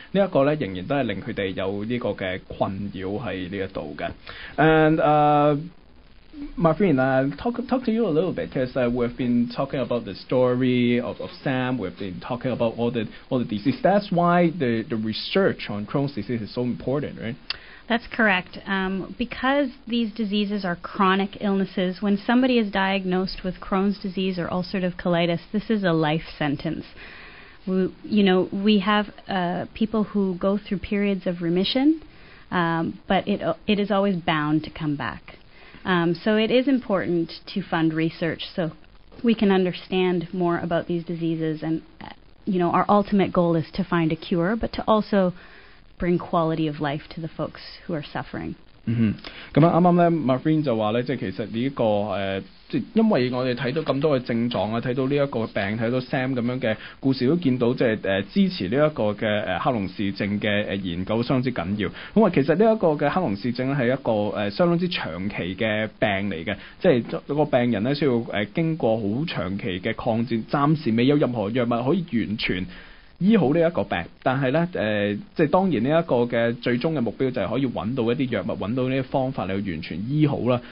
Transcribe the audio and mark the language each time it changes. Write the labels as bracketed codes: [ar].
[yue] 呢一個咧仍然都係令佢哋有呢個嘅困擾喺呢一度嘅。 [en] My friend, talk to you a little bit, because we've been talking about the story of Sam, we've been talking about all the diseases. That's why the research on Crohn's disease is so important, right? That's correct. Because these diseases are chronic illnesses, when somebody is diagnosed with Crohn's disease or ulcerative colitis, this is a life sentence. We have people who go through periods of remission, but it is always bound to come back. So it is important to fund research so we can understand more about these diseases and, our ultimate goal is to find a cure, but to also bring quality of life to the folks who are suffering. [yue] 咁啱啱咧 ，Marvin 就話咧，即係其實呢、這個即係因為我哋睇到咁多嘅症狀啊，睇到呢一個病，睇到 Sam 咁樣嘅故事，都見到即係支持呢一個嘅黑龍氏症嘅研究相當之緊要。咁啊，其實呢一個嘅黑龍氏症咧係一個相當之長期嘅病嚟嘅，即係個病人咧需要經過好長期嘅抗戰，暫時未有任何藥物可以完全醫好呢一個病，但係咧即係當然呢一個嘅最終嘅目標就係可以揾到一啲藥物，揾到呢啲方法嚟完全醫好啦。